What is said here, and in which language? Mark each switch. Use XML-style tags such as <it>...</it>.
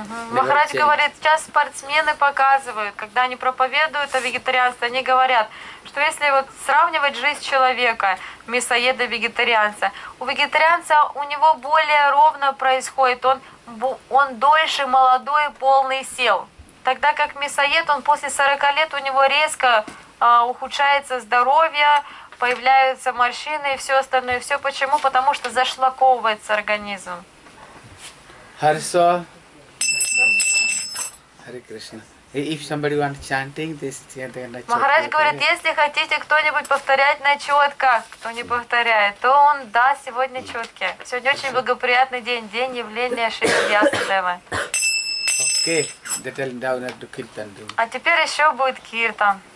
<ru>Махарадж говорит, сейчас спортсмены показывают, когда они проповедуют о вегетарианстве, они говорят, что если вот сравнивать жизнь человека, мясоеда-вегетарианца, у вегетарианца у него более ровно происходит, он дольше молодой, полный сил. Тогда как мясоед, он после 40 лет, у него резко ухудшается здоровье, появляются морщины и все остальное. Все почему? Потому что зашлаковывается организм. Хорошо. Харе Кришна.</ru> <en>If somebody wants chanting this, they are not chanting.</en> <ru>Махарадж говорит, если хотите кто-нибудь повторять на четко, кто не повторяет, то он даст сегодня четки. Сегодня очень благоприятный день, день явления Шри Вьясадева.</ru> <en>Okay, they tell down to Kirtan.</en> <ru>А теперь еще будет Киртан.</ru>